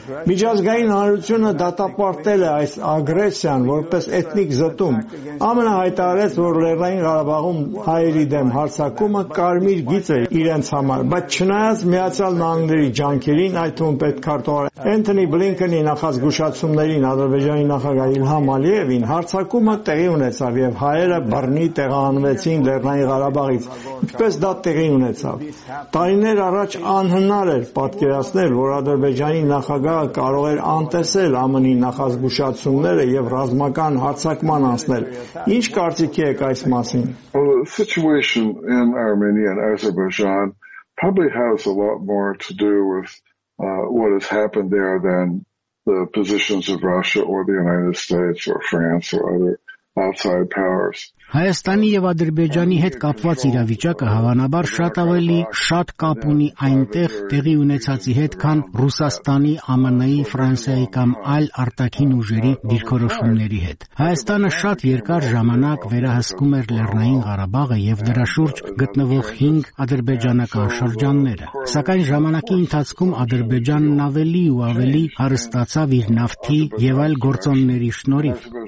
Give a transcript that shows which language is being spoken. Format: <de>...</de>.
<hy>Միջազգային հանրությունը դատապարտել է այս ագրեսիան որպես էթնիկ զտում։ ԱՄՆ-ը հայտարարեց, որ Լեռնային Ղարաբաղում հայերի դեմ հարձակումը կարմիր գիծ է իրենց համար, բայց չնայած Միացյալ Նահանգների ջանքերին, այդուն պետքարտուղարը Էնթոնի Բլինքենի նախազգուշացումներին Ադրբեջանի նախագահ Իլհամ Ալիևին, հարձակումը տեղի ունեցավ եւ հայերը բռնի տեղահանվեց Լեռնային Ղարաբաղից, ինչպես դա տեղի ունեցավ։ Տարիներ առաջ անհնար էր պատկերացնել, որ Ադրբեջանի նախագահը կարող էր անտեսել ԱՄՆ-ի նախազգուշացումները եւ ռազմական հարձակման անցնել։ Ինչ կարծիք եք այս մասին։</hy> <en>The situation in Armenia and Azerbaijan probably has a lot more to do with what has happened there than the positions of Russia or the United States or France or other outside powers.</en> <hy>Հայաստանի եւ Ադրբեջանի հետ կապված իրավիճակը հավանաբար շատ ավելի շատ կապ ունի այնտեղ տեղի ունեցածի հետ, քան Ռուսաստանի, ԱՄՆ-ի, Ֆրանսիայի կամ այլ արտաքին ուժերի դիրքորոշումների հետ։ Հայաստանը շատ երկար ժամանակ վերահսկում էր Լեռնային Ղարաբաղը եւ դրա շուրջ գտնվող 5 ադրբեջանական շրջանները, սակայն ժամանակի ընթացքում Ադրբեջանն ավելի ու ավելի հարստացավ իր նավթի եւ այլ գործոնների շնորհիվ։</hy>